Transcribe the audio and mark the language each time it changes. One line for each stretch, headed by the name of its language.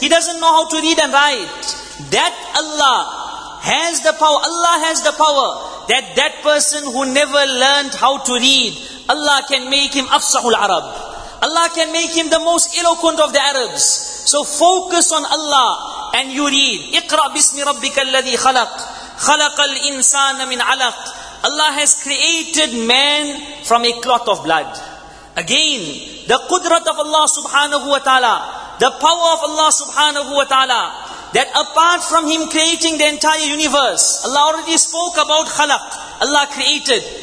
English: He doesn't know how to read and write. That Allah has the power. Allah has the power that that person who never learned how to read, Allah can make him Afsahul Arab. Allah can make him the most eloquent of the Arabs. So focus on Allah and you read.
Arabic: اقرأ بسم ربك الذي خلق خلق الإنسان من علق.
English: Allah has created man from a clot of blood. Again, the qudrat of Allah subhanahu wa ta'ala, the power of Allah subhanahu wa ta'ala, that apart from Him creating the entire universe, Allah already spoke about khalaq. Allah created.